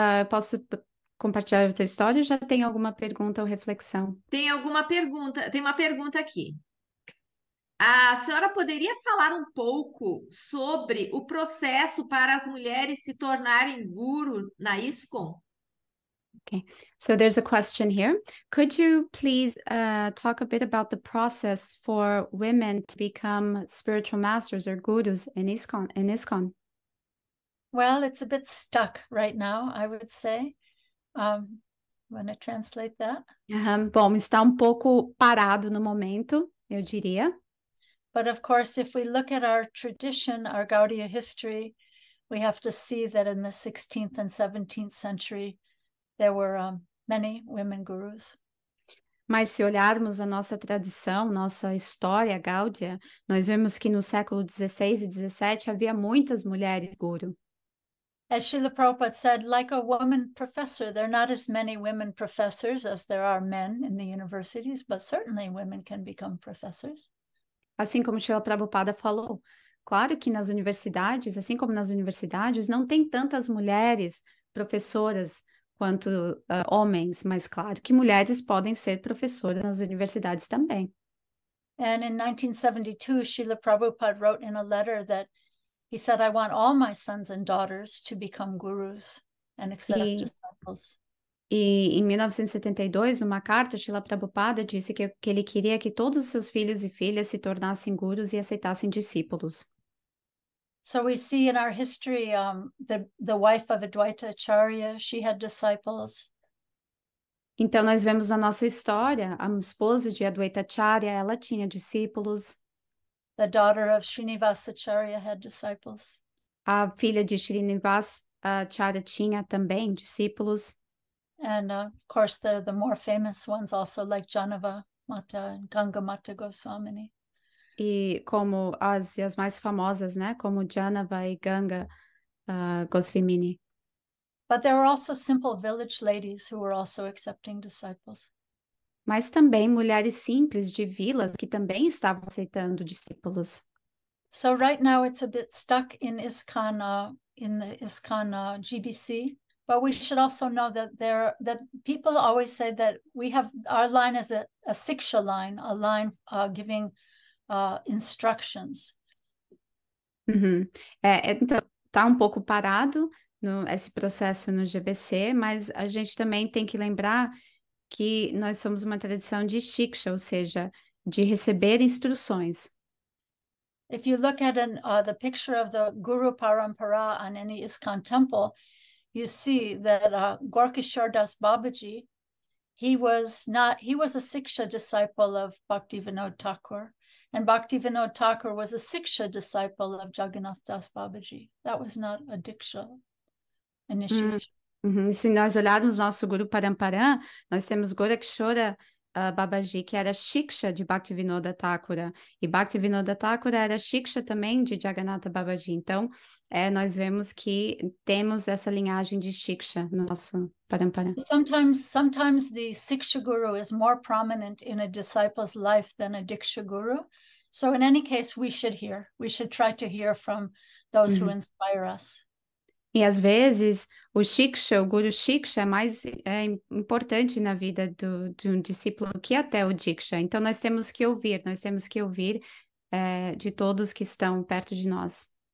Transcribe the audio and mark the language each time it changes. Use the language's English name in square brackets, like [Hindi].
[Portuguese] Posso compartilhar outra história ou já tem alguma pergunta ou reflexão? Tem alguma pergunta? Tem uma pergunta aqui. A senhora poderia falar um pouco sobre o processo para as mulheres se tornarem guru na ISKCON? [English] So there's a question here. Could you please talk a bit about the process for women to become spiritual masters or gurus in ISKCON? Well, it's a bit stuck right now, I would say. Want to translate that? [Portuguese] Bom, está um pouco parado no momento, eu diria. [English] But of course, if we look at our tradition, our Gaudiya history, we have to see that in the 16th and 17th century, there were many women gurus. [Portuguese] Mas se olharmos a nossa tradição, nossa história, Gáudia, nós vemos que no século XVI e XVII havia muitas mulheres guru. [English] As Srila Prabhupada said, like a woman professor, there are not as many women professors as there are men in the universities, but certainly women can become professors. [Portuguese] Assim como Srila Prabhupada falou, claro que nas universidades, assim como nas universidades, não tem tantas mulheres professoras quanto homens, mas claro que mulheres podem ser professoras nas universidades também. [English] And in 1972, Srila Prabhupada wrote in a letter that he said, I want all my sons and daughters to become gurus and accept disciples. [Portuguese] E em 1972, uma carta, Srila Prabhupada disse que ele queria que todos os seus filhos e filhas se tornassem gurus e aceitassem discípulos. [English] So we see in our history, the wife of Advaita Acharya, she had disciples. [Portuguese] Então, nós vemos a nossa história, a esposa de Advaita Acharya, ela tinha discípulos. [English] The daughter of Srinivas Acharya had disciples. [Portuguese] A filha de Srinivas Acharya tinha também discípulos. [English] And of course, there are the more famous ones also, like Janava Mata and Ganga Mata Goswamini. [Portuguese] E como as mais famosas, né? Como Janava e Ganga Goswamini. [English] But there were also simple village ladies who were also accepting disciples. [Portuguese] Mas também mulheres simples de vilas que também estavam aceitando discípulos. [English] So right now it's a bit stuck in the ISKCON GBC, but we should also know that that people always say that we have our line as a siksha line, a line giving instructions. [Portuguese] Então, está um pouco parado no esse processo no GBC, mas a gente também tem que lembrar que nós somos uma tradição de Shiksha, ou seja, de receber instruções. [English] If you look at the picture of the Guru Parampara on any ISKCON temple, you see that Gaurkishore Das Babaji, he was a Siksha disciple of Bhaktivinoda Thakur, and Bhaktivinoda Thakur was a Siksha disciple of Jagannath Das Babaji. That was not a Diksha initiation. [Portuguese] Se nós olharmos nosso Guru Paramparã, nós temos Gorakshora Babaji, que era Shiksha de Bhaktivinoda Thakura, e Bhaktivinoda Thakura era Shiksha também de Jagannatha Babaji. Então, nós vemos que temos essa linhagem de Shiksha no nosso Paramparã. [English] Sometimes the Siksha Guru is more prominent in a disciple's life than a Diksha Guru. So in any case, we should hear. We should try to hear from those who inspire us. [Portuguese] E às vezes, o Shiksha, o Guru Shiksha, é mais importante na vida de um discípulo que até o Diksha. Então, nós temos que ouvir, de todos que estão perto de nós.